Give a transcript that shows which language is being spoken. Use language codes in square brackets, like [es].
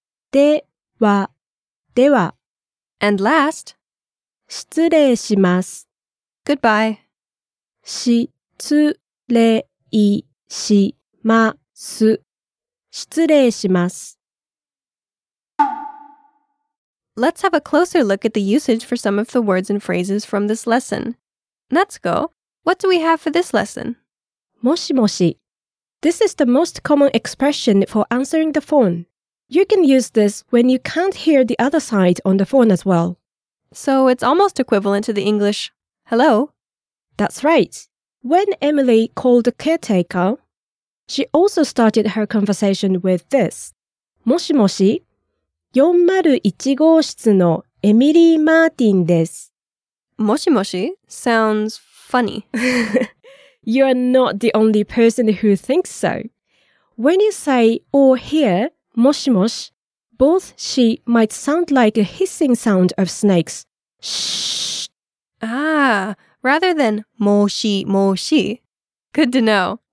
[ja] ではでは [en] And last [ja] 失礼します [en] Goodbye. [ja] 失礼します失礼します [en] Let's have a closer look at the usage for some of the words and phrases from this lesson. Natsuko, what do we have for this lesson? [ja] もしもし。 [en] This is the most common expression for answering the phone. You can use this when you can't hear the other side on the phone as well. So it's almost equivalent to the English, hello? That's right. When Emily called the caretaker, she also started her conversation with this. [ja] もしもし。 401号室のエミリー・マーティンです。 [en] もしもし sounds funny. You are not the only person who thinks so. When you say or hear もしもし, both she might sound like a hissing sound of snakes. Shh. Ah, rather than もしもし.Good to know.